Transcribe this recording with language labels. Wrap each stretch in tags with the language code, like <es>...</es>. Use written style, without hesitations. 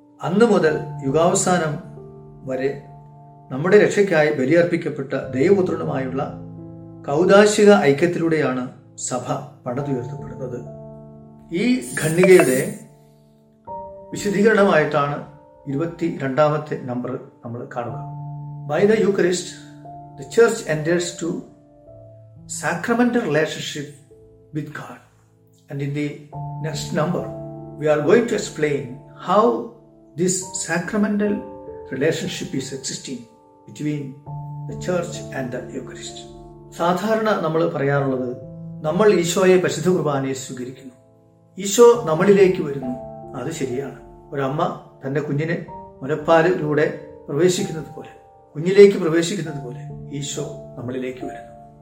<ml>അന്ന് മുതൽ യുഗാവസാനം വരെ നമ്മുടെ രക്ഷയ്ക്കായി ബലിയർപ്പിക്കപ്പെട്ട ദൈവപുത്രനുമായുള്ള കൗദാശിക ഐക്യത്തിലൂടെയാണ് സഭ പടുത്തുയർത്തപ്പെടുന്നത്. ഈ ഖണ്ഡികയുടെ വിശദീകരണമായിട്ടാണ് 22-ാമത്തെ നമ്പർ നമ്മൾ കാണുക.</ml> <en>By the Eucharist the church enters to sacramental relationship with God. And in the next number, we are going to explain how this sacramental relationship is existing between the church and the Eucharist.</en> <ml>സാധാരണ നമ്മൾ പറയാറുള്ളത് നമ്മൾ ഈശോയെ പരിശുദ്ധ കുർബാനയെ സ്വീകരിക്കുന്നു, ഈശോ നമ്മളിലേക്ക് വരുന്നു. അത് ശരിയാണ്. ഒരമ്മ തൻ്റെ കുഞ്ഞിനെ മുലപ്പാലിലൂടെ പ്രവേശിക്കുന്നത് പോലെ, കുഞ്ഞിലേക്ക് പ്രവേശിക്കുന്നത് പോലെ ഈശോ നമ്മളിലേക്ക് വരുന്നു.</ml>